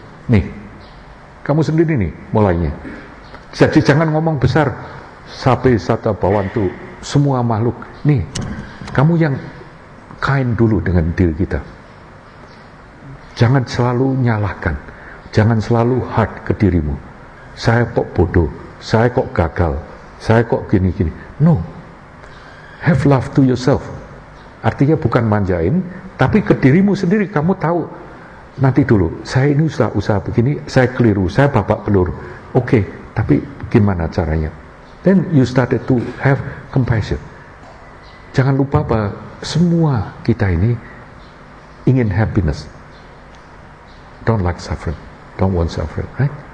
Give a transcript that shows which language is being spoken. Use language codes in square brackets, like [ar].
[id] Nih, kamu sendiri nih mulainya. Jadi jangan ngomong besar, sapi, sata, bawantu, semua makhluk. Nih, kamu yang kain dulu dengan diri kita. Jangan selalu nyalahkan, jangan selalu hard ke dirimu. Saya kok bodoh, saya kok gagal, saya kok gini-gini. [en] No, have love to yourself. [id] Artinya bukan manjain, tapi ke dirimu sendiri. Kamu tahu, nanti dulu, saya ini usaha begini, saya keliru, saya babak belur. Oke, tapi gimana caranya? [en] Then you started to have compassion. [id] Jangan lupa bahwa semua kita ini ingin happiness. [en] Don't like suffering, don't want suffering, right?